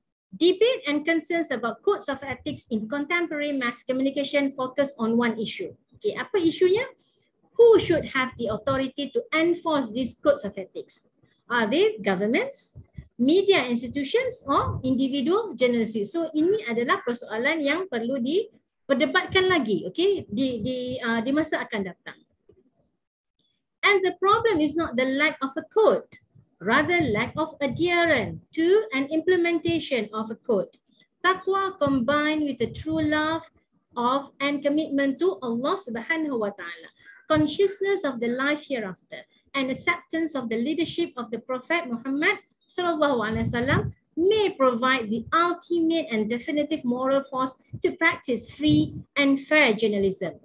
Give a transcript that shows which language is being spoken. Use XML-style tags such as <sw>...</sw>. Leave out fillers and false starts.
<en>Debate and concerns about codes of ethics in contemporary mass communication focus on one issue.</en> <id>Okay, apa isunya?</id> <en>Who should have the authority to enforce these codes of ethics? Are they governments, media institutions, or individual journalists?</en> <id>So ini adalah persoalan yang perlu diperdebatkan lagi, okay? Di masa akan datang.</id> <en>And the problem is not the lack of a code, rather lack of adherence to an implementation of a code. Taqwa combined with a true love of and commitment to Allah Subhanahu Wa Taala, consciousness of the life hereafter, and acceptance of the leadership of the Prophet Muhammad Sallallahu Alaihi Wasallam may provide the ultimate and definitive moral force to practice free and fair journalism.</en>